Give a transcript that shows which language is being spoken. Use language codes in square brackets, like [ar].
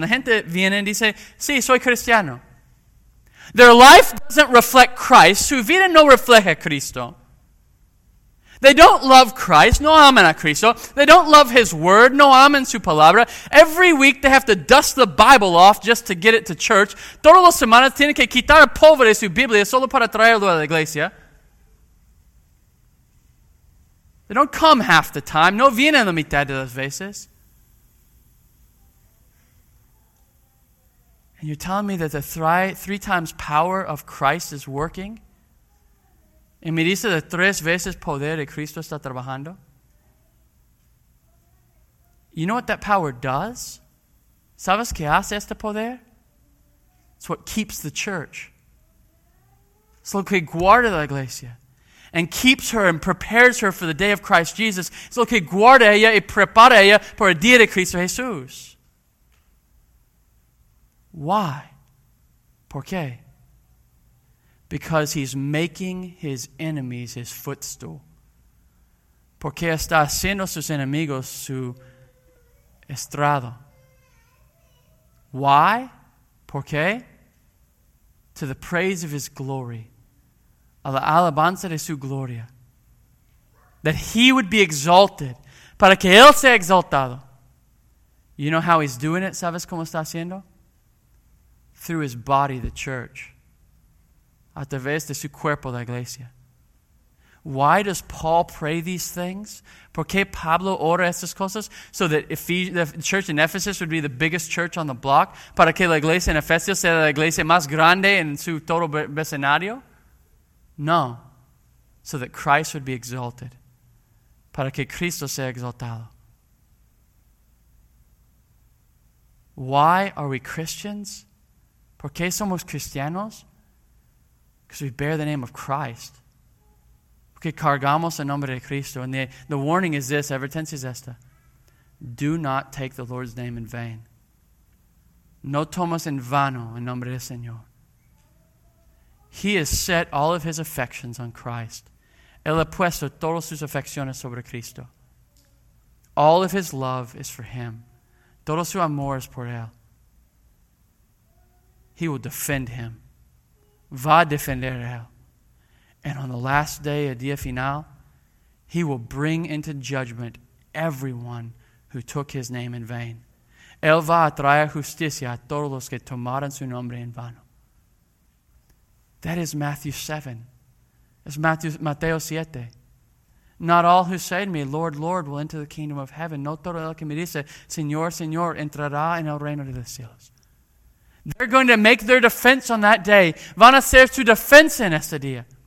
[es] La gente viene y dice, sí, soy cristiano. [en] Their life doesn't reflect Christ. [es] Su vida no refleja Cristo. [en] They don't love Christ, [es] no aman a Cristo. [en] They don't love his word, [es] no aman su palabra. [en] Every week they have to dust the Bible off just to get it to church. [es] Todas las semanas tienen que quitar el polvo de su Biblia solo para traerlo a la iglesia. [en] They don't come half the time, [es] no vienen la mitad de las veces. [en] And you're telling me that the three times power of Christ is working? [es] Y me dice de tres veces poder de Cristo está trabajando. [en] You know what that power does? [es] ¿Sabes qué hace este poder? [en] It's what keeps the church. [es] Es lo que guarda la iglesia. [en] And keeps her and prepares her for the day of Christ Jesus. [es] Es lo que guarda ella y prepara ella por el día de Cristo Jesús. [en] Why? [es] ¿Por qué? [en] Because he's making his enemies his footstool. [es] Porque está haciendo sus enemigos su estrado. [en] Why? [es] ¿Por qué? [en] To the praise of his glory. [es] A la alabanza de su gloria. [en] That he would be exalted. [es] Para que él sea exaltado. [en] You know how he's doing it? [es] ¿Sabes cómo está haciendo? [en] Through his body, the church. [es] A través de su cuerpo, la iglesia. [en] Why does Paul pray these things? [es] ¿Por qué Pablo ora estas cosas? [en] So that the church in Ephesus would be the biggest church on the block. [es] Para que la iglesia en Efesios sea la iglesia más grande en su todo vecinario. [en] No. So that Christ would be exalted. [es] Para que Cristo sea exaltado. [en] Why are we Christians? [es] ¿Por qué somos cristianos? [en] Because we bear the name of Christ. [es] Que cargamos el nombre de Cristo. [en] And the warning is this, [es] advertencia es esta. [en] Do not take the Lord's name in vain. [es] No tomas en vano el nombre del Señor. [en] He has set all of his affections on Christ. [es] Él ha puesto todas sus afecciones sobre Cristo. [en] All of his love is for him. [es] Todo su amor es por él. He will defend him. Va a defender a él. [en] And on the last day, [es] el día final, [en] he will bring into judgment everyone who took his name in vain. [es] Él va a traer justicia a todos los que tomaron su nombre en vano. [en] That is Matthew 7. It's Mateo 7. Not all who say to me, Lord, Lord, will enter the kingdom of heaven. [es] No todo el que me dice, Señor, Señor, entrará en el reino de los cielos. [en] They're going to make their defense on that day. [es] Van a ser su defensa en este día.